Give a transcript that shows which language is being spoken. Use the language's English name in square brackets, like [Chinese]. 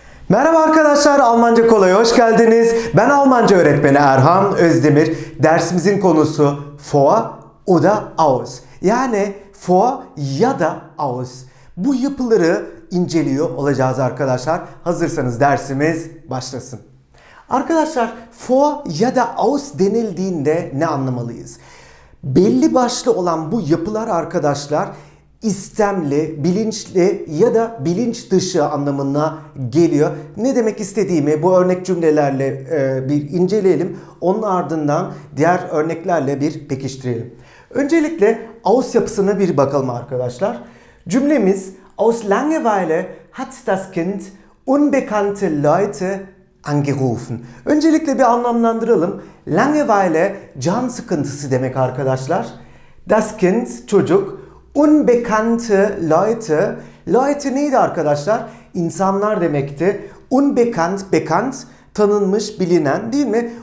[Turkish] Merhaba arkadaşlar, Almanca Kolay'a hoş geldiniz. Ben Almanca öğretmeni Erhan Özdemir. [German] Dersimizin konusu vor oder aus. [Turkish] Yani vor ya da aus. Bu yapıları inceliyor olacağız arkadaşlar. Hazırsanız dersimiz başlasın. Arkadaşlar, vor ya da aus denildiğinde ne anlamalıyız? Belli başlı olan bu yapılar arkadaşlar istemli, bilinçli ya da bilinç dışı anlamına geliyor. Ne demek istediğimi bu örnek cümlelerle bir inceleyelim. Onun ardından diğer örneklerle bir pekiştirelim. Öncelikle aus yapısına bir bakalım arkadaşlar. Cümlemiz [German] aus Langeweile hat das Kind unbekannte Leute angerufen. [Turkish] Öncelikle bir anlamlandıralım. Langeweile can sıkıntısı demek arkadaşlar. [German] Das Kind [Turkish] çocuk. [German] Unbekannte Leute. [Turkish] Leute neydi arkadaşlar? İnsanlar demekti. Unbekannt, bekannt, tanınmış, bilinen değil mi?